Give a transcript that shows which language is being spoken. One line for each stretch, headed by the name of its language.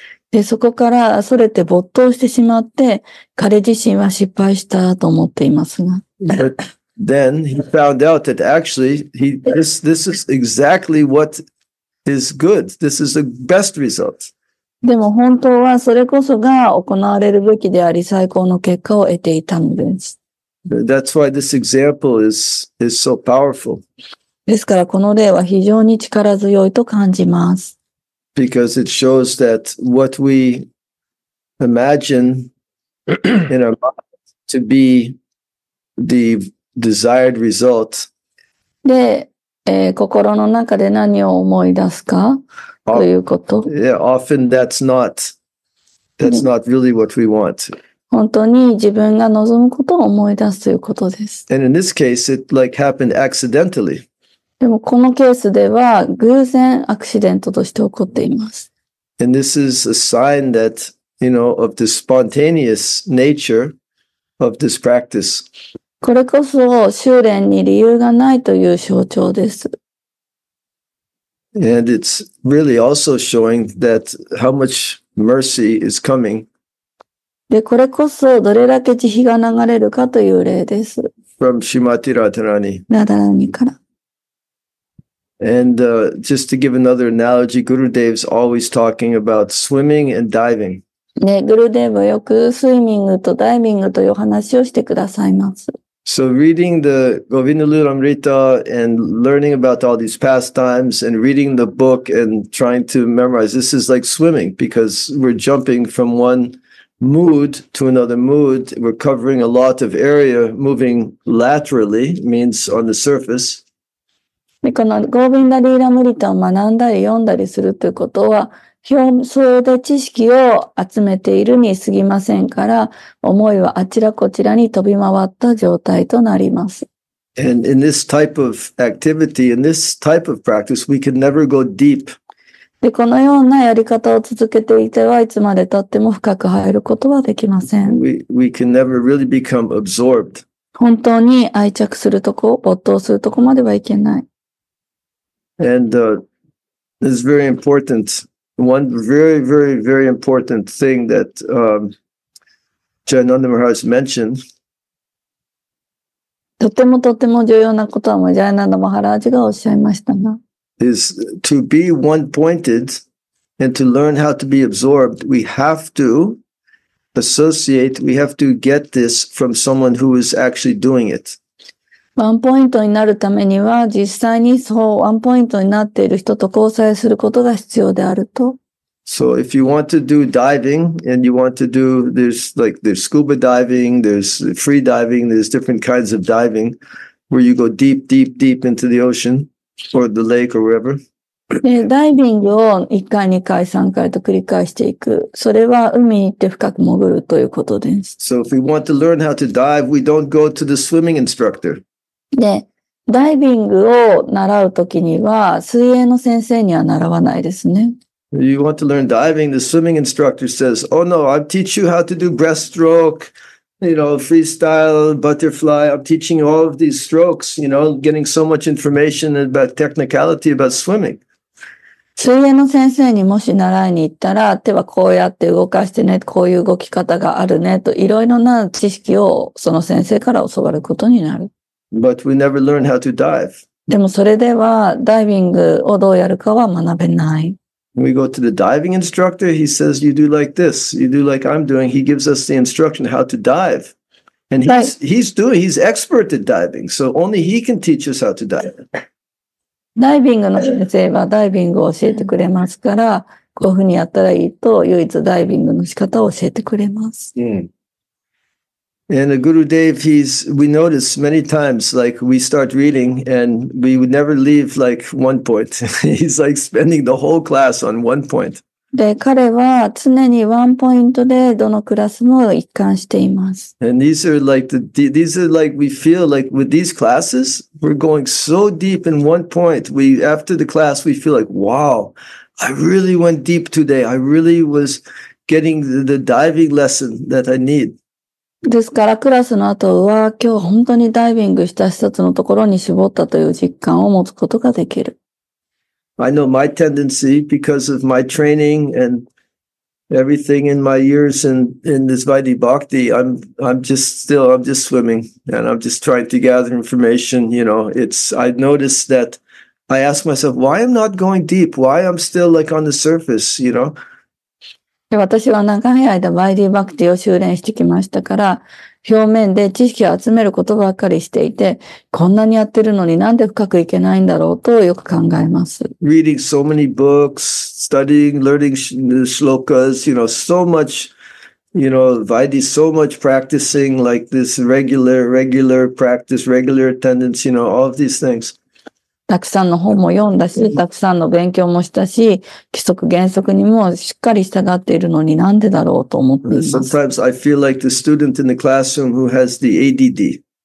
Japanese: で、そこからそれて没頭してしまって、彼自身は失敗したと思っていますが。
English: But then he found out that actually this is exactly what is good. This is the best result.
Japanese: でも本当はそれこそが行われるべきであり最高の結果を得ていたのです。
English: That's why this example is so powerful.
Japanese: ですからこの例は非常に力強いと感じます。
English: Because it shows that what we imagine in our mind to be the desired result.
Japanese: で、心の中で何を思い出すかということ。
English: Yeah, often that's not really what we want.
Japanese: 本当に自分が望むことを思い出すということです。
English: And in this case, it like happened accidentally.
Japanese: でもこのケースでは偶然アクシデントとして起こっています。
English: And this is a sign that, you know, of the spontaneous nature of this practice.
Japanese: これこそ修練に理由がないという象徴です。
English: And it's really also showing that how much mercy is coming.
Japanese: で、これこそどれだけ慈悲が流れるかという例です。
English: From Shrimati Radharani.
Japanese: Radharani から。
English: And, just to give another analogy, Gurudev's always talking about swimming and diving.
Japanese: ね、グルデーブはよくスイミングとダイビングという話をしてくださいます。
English: So reading the Govinda Lilamrita and learning about all these pastimes and reading the book and trying to memorize, this is like swimming because we're jumping from one mood to another mood. We're covering a lot of area, moving laterally means on the surface.
Japanese: で、このゴービンダリーラムリタを学んだり読んだりするということは、表層で知識を集めているに過ぎませんから、思いはあちらこちらに飛び回った状態となります。
English: And in this type of activity, in this type of practice, we can never go deep.
Japanese: で、このようなやり方を続けていては、いつまで経っても深く入ることはできません。
English: We can never really become absorbed.
Japanese: 本当に愛着するとこ、没頭するとこまではいけない。
English: And, this is very important. One very, very, very important thing that, Jayananda Maharaj mentioned.
Japanese: とてもとても重要なことはジャイナンダ・マハラージがおっしゃいましたが。
English: Is to be one-pointed and to learn how to be absorbed, we have to associate, we have to get this from someone who is actually doing it.
Japanese: ワンポイントになるためには、実際にそうワンポイントになっている人と交際することが必要であると。
English: So if you want to do diving and you want to do there's like there's scuba diving, there's free diving, there's different kinds of diving where you go deep, deep, deep into the ocean or the lake or wherever.
Japanese: で、ダイビングを1回、2回、3回と繰り返していく。それは海に行って深く潜るということです。
English: So if we want to learn how to dive, we don't go to the swimming instructor.
Japanese: で、ダイビングを習うときには、水泳の先生には習わないですね。
English: You want to learn diving, the swimming instructor says, Oh no, I'll teach you how to do breaststroke, you know, freestyle, butterfly. I'm teaching you all of these strokes, you know, getting so much information about technicality about swimming.
Japanese: 水泳の先生にもし習いに行ったら、手はこうやって動かしてね、こういう動き方があるね、といろいろな知識をその先生から教わることになる。
English: But we never learn how to dive.
Japanese: でもそれではダイビングをどうやるかは学べない。
English: We go to the diving instructor. He says you do like this. You do like I'm doing. He gives us the instruction how to dive. And he's expert at diving. So only he can teach us how to dive.
Japanese: ダイビングの先生はダイビングを教えてくれますから、こういうふうにやったらいいと唯一ダイビングの仕方を教えてくれます。うん。
English: And the Gurudev, we notice many times, like we start reading and we would never leave like one point. He's like spending the whole class on one point.
Japanese: で、彼は常にワンポイントでどのクラスも一貫しています。
English: And these are like, we feel like with these classes, we're going so deep in one point. After the class, we feel like, wow, I really went deep today. I really was getting the diving lesson that I need.
Japanese: ですからクラスの後は今日本当にダイビングした一つのところに絞ったという実感を持つことができる。
English: I know my tendency because of my training and everything in my years in this Vaidhi Bhakti, I'm just swimming and I'm just trying to gather information. You know, I noticed that I ask myself, why I'm not going deep? Why I'm still like on the surface, you know?
Japanese: 私は長い間バイディバクティを修練してきましたから、表面で知識を集めることばかりしていて、こんなにやってるのになんで深くいけないんだろうとよく考えます。
English: Reading so many books, studying, learning shlokas, you know, so much, you know, Vaidhi, so much practicing like this regular practice, regular attendance, you know, all of these things.
Japanese: たくさんの本も読んだし、たくさんの勉強もしたし、規則原則にもしっかり従っているのになんでだろうと思っています。
English: Sometimes I feel like the student in the classroom who has the ADD.